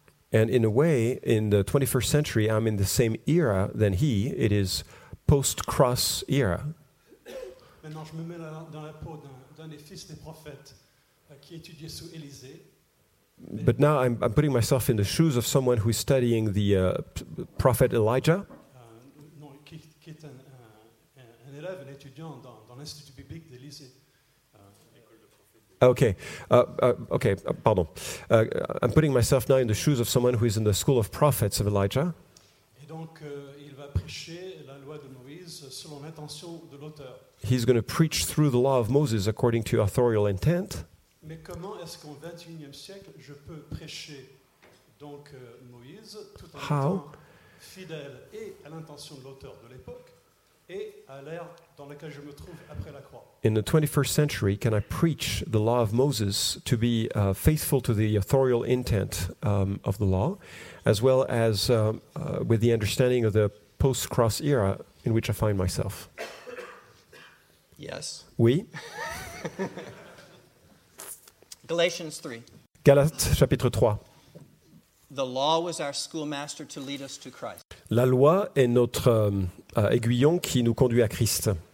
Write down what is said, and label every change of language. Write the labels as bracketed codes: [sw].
[en] And in a way, in the 21st century, I'm in the same era than he. It is post-cross era. [fr] Maintenant, je me mets dans la peau d'un des fils des prophètes qui étudiait sous Élisée. [en] But now I'm putting myself in the shoes of someone who is studying the prophet Elijah. [fr] Non, qui est un élève, un étudiant dans l'institut biblique d'Élisée. Pardon. [en] I'm putting myself now in the shoes of someone who is in the school of prophets of Elijah. [fr] Et donc, il va prêcher la loi de Moïse selon l'intention de l'auteur. [en] He's going to preach through the law of Moses according to authorial intent. [fr] Mais comment est-ce qu'en 21e siècle, je peux prêcher donc Moïse tout en [en] how? [fr] Étant fidèle et à l'intention de l'auteur de l'époque et à l'ère dans laquelle je me trouve après la croix. [en] In the 21st century, can I preach the law of Moses to be faithful to the authorial intent of the law, as well as with the understanding of the post-cross era in which I find myself? Yes. [fr] Oui. [en] Galatians 3. [fr] Galates, chapitre 3. [en] The law was our schoolmaster to lead us to Christ. [fr] La loi est notre aiguillon qui nous conduit à Christ.